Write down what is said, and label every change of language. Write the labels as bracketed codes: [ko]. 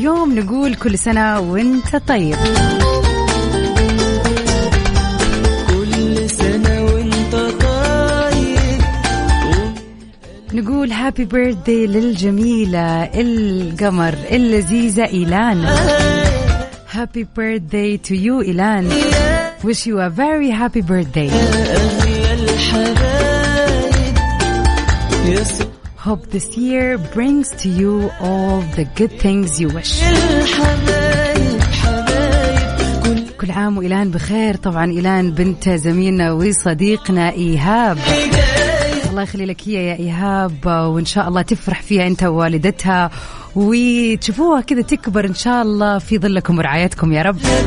[ar] نقول كل سنة وانت طيب. نقول [en] happy birthday [ar] للجميلة القمر اللذيذة إيلان. [en] Happy birthday to you إيلان. Wish you a very happy birthday. Hope this year brings to you all the good things you wish. [ar] كل عام وإيلان بخير. طبعا إيلان بنت زميلنا وصديقنا إيهاب. الله يخلي لك هي يا إيهاب, وإن شاء الله تفرح فيها أنت ووالدتها وتشوفوها كذا تكبر إن شاء الله في ظلكم ورعايتكم يا رب.